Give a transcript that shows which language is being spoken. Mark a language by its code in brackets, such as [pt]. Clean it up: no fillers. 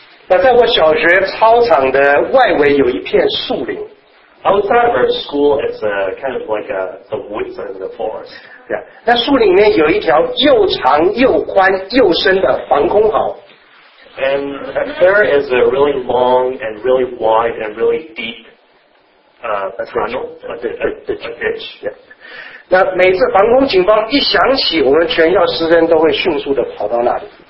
[zh] 那在我小学操场的外围有一片树林。 [en] Outside of our school, it's kind of like the woods and the forest. Yeah. [zh] 那树里面有一条又长又宽又深的防空壕。 [en] And there is a really long and really wide and really deep a ditch. Yeah. [zh] 那每次防空警报一响起，我们全校师生都会迅速的跑到那里。